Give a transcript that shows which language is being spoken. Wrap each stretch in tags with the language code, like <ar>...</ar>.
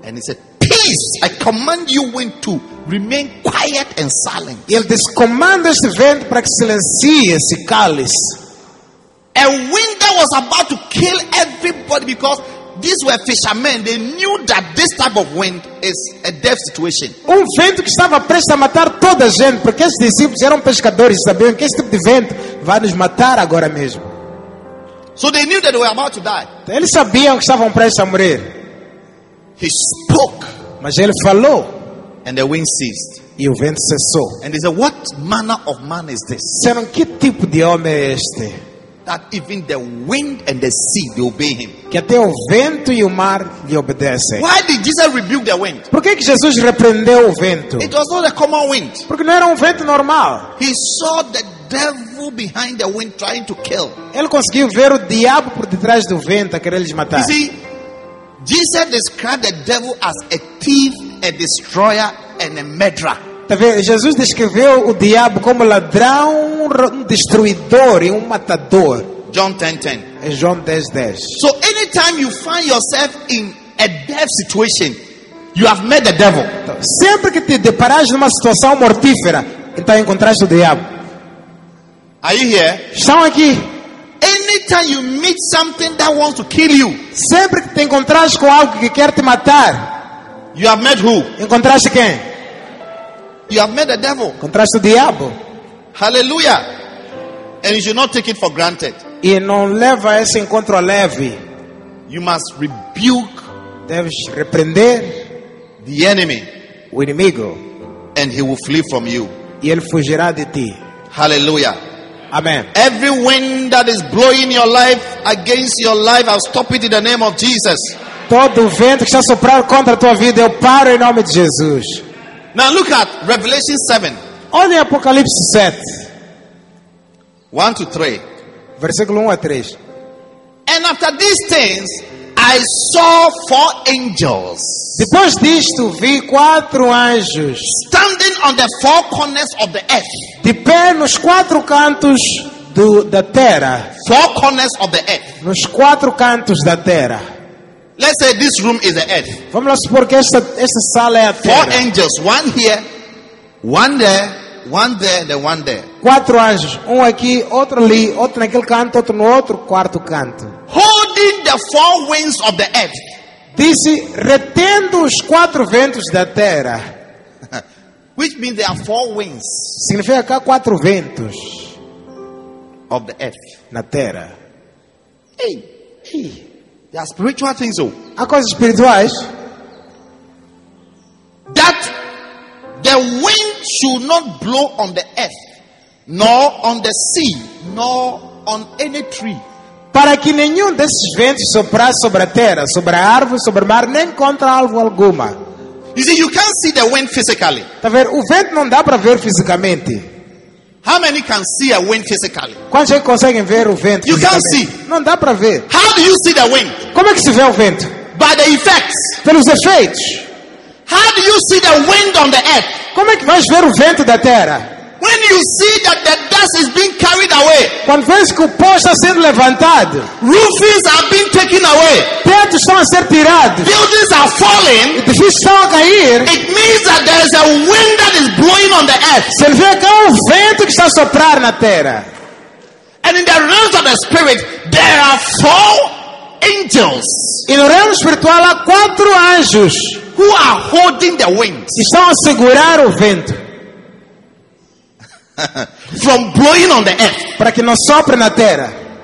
<en>And he said, peace, I command you wind to remain quiet and silent.</en> <pt>Ele disse, comanda este vento para que silencie esse cálice.</pt> <en>A wind that was about to kill everybody because these were fishermen. They knew that this type of wind is a death situation.</en> <pt>Um vento que estava prestes a matar toda a gente, porque esses discípulos eram pescadores e sabiam que esse tipo de vento vai nos matar agora mesmo.</pt> <en>So they knew that they were about to die.</en> <pt>Eles sabiam que estavam prestes a morrer.</pt> <en>He spoke.</en> <pt>Mas ele falou.</pt> <en>And the wind ceased.</en> <pt>E o vento cessou.</pt> <en>And they said, what manner of man is this?</en> <pt>Disseram, que tipo de homem é este?</pt> <en>That even the wind and the sea they obey him.</en> <pt>Que até o vento e o mar lhe obedecem.</pt> <en>Why did Jesus rebuke the wind?</en> <pt>Por que Jesus repreendeu o vento?</pt> <en>It was not a common wind.</en> <pt>Porque não era vento normal.</pt> <en>He saw the devil behind the wind trying to kill.</en> <pt>Ele conseguiu ver o diabo por detrás do vento a querer lhes matar.</pt> <en>You see, Jesus described the devil as a thief, a destroyer, and a murderer.</en> <pt>Tá vendo? Jesus descreveu o diabo como ladrão, destruidor e matador.</pt> <en>John 10:10.</en> <pt>É João 10:10.</pt> <en>So anytime you find yourself in a death situation, you have met the devil.</en> <pt>Então, sempre que te deparas numa situação mortífera, então encontraste o diabo.</pt> <en>Are you here?</en> <pt>Estão aqui.</pt> <en>Anytime you meet something that wants to kill you,</en> <pt>sempre que te encontras com algo que quer te matar,</pt> <en>you have met who?</en> <pt>Encontraste quem?</pt> <en>You have met the devil.</en> <pt>Encontraste o diabo.</pt> <en>Hallelujah. And you should not take it for granted.</en> <pt>E não leva esse encontro a leve.</pt> <en>You must rebuke.</en> <pt>Deves repreender</pt> <en>the enemy.</en> <pt>O inimigo.</pt> <en>And he will flee from you.</en> <pt>E ele fugirá de ti.</pt> <en>Hallelujah. Amen. Every wind that is blowing your life against your life, I'll stop it in the name of Jesus.</en> <pt>Todo vento que está soprando contra a tua vida, eu paro em nome de Jesus.</pt> <en>Now look at Revelation 7.</en> <pt>Olha Apocalipse 7.</pt> <en>1 to 3.</en> <pt>Versículo 1 a 3.</pt> <en>And after these things, I saw four angels.</en> <pt>Depois disto, vi quatro anjos.</pt> <en>Standing on the four corners of the earth.</en> <pt>De pé nos quatro cantos da terra.</pt> <en>Four corners of the earth.</en> <pt>Nos quatro cantos da terra.</pt> <en>Let's say this room is the earth.</en> <pt>Vamos lá supor que esta sala é a terra.</pt> <en>Four angels, one here, one there, one there, then one there.</en> <pt>Quatro anjos, um aqui, outro ali, outro naquele canto, outro no outro quarto canto.</pt> <en>Holding the four winds of the earth.</en> <pt>Disse, retendo os quatro ventos da terra.</pt> <en>Which means there are four winds.</en> <pt>Significa que há quatro ventos.</pt> <en>Of the earth.</en> <pt>Na terra.</pt> <en>Hey, hey. There are spiritual things, oh.</en> <pt>Há coisas espirituais.</pt> <en>That the wind should not blow on the earth, nor on the sea, nor on any tree.</en> <pt>Para que nenhum desses ventos soprasse sobre a terra, sobre a árvore, sobre o mar, nem contra árvore alguma.</pt> <en>You see, you can't see the wind physically.</en> <pt>Tá vendo? O vento não dá para ver fisicamente.</pt> <en>How many can see a wind physically?</en> <pt>Quantos conseguem ver o vento?</pt> <en>You can't see.</en> <pt>Não dá para ver.</pt> <en>How do you see the wind?</en> <pt>Como é que se vê o vento?</pt> <en>By the effects.</en> <pt>Pelos efeitos.</pt> <en>How do you see the wind on the earth?</en> <pt>Como é que vais ver o vento da terra?</pt> <en>When you see that the dust is being carried away.</en> <pt>Quando vês que o pó está sendo levantado.</pt> <en>Roofs are being taken away.</en> <pt>Tetos estão a ser tirados.</pt> <en>Buildings are falling.</en> <pt>Edifícios estão a cair.</pt> <en>It means that there is a wind that is blowing on the earth.</en> <pt>Significa que há vento que está a soprar na terra.</pt> <en>And in the realms of the spirit, there are four angels.</en> <pt>E no reino espiritual há quatro anjos.</pt> <en>Who are holding the winds.</en> <pt>Que estão a segurar o vento.</pt> <en>From blowing on the earth.</en> <pt>Para que não sopre na terra.</pt>